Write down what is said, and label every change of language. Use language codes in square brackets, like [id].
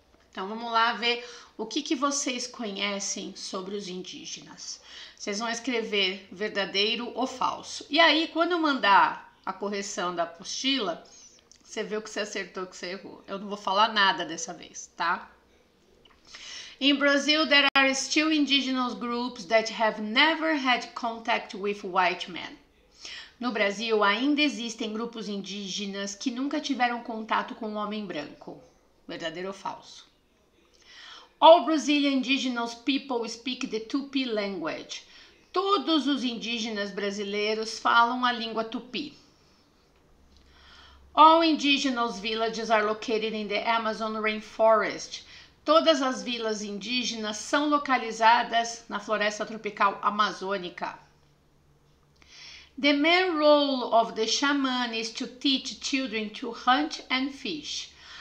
[pt] Então vamos lá ver o que que vocês conhecem sobre os indígenas. Vocês vão escrever verdadeiro ou falso. E aí, quando eu mandar a correção da apostila, você vê o que você acertou, o que você errou. Eu não vou falar nada dessa vez, tá? [en] In Brazil, there are still indigenous groups that have never had contact with white men. [pt] No Brasil, ainda existem grupos indígenas que nunca tiveram contato com um homem branco. Verdadeiro ou falso? [en] All Brazilian indigenous people speak the Tupi language. [pt] Todos os indígenas brasileiros falam a língua Tupi. [en] All indigenous villages are located in the Amazon rainforest. [pt] Todas as vilas indígenas são localizadas na floresta tropical amazônica. [en] The main role of the shaman is to teach children to hunt and fish.